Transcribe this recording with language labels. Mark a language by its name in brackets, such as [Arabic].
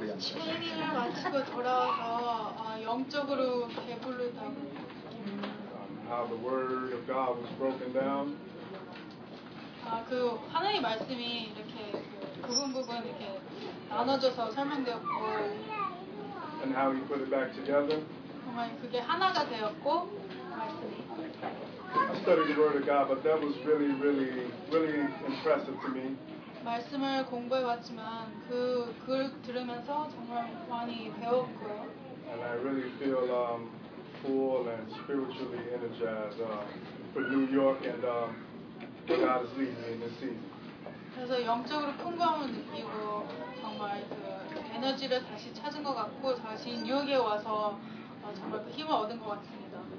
[Korean] 마치고 돌아와서 영적으로 배부르다고. [English] How the word of God was broken down. [Korean] 그 하나님의 말씀이 이렇게 부분 이렇게 나눠져서 설명되었고. [English] And how He put it back together. [Korean] 정말 그게 하나가 되었고 말씀이. [English] I studied the Word of God, but that was really, really, really impressive to me. [Korean] 말씀을 공부해 봤지만 그걸 들으면서 정말 많이 배웠고요. [English] And I really feel full and spiritually energized for New York and God is leading me in this season. [Korean] 그래서 영적으로 풍부함을 느끼고 정말 그 에너지를 다시 찾은 것 같고 다시 뉴욕에 와서 정말 그 힘을 얻은 것 같습니다.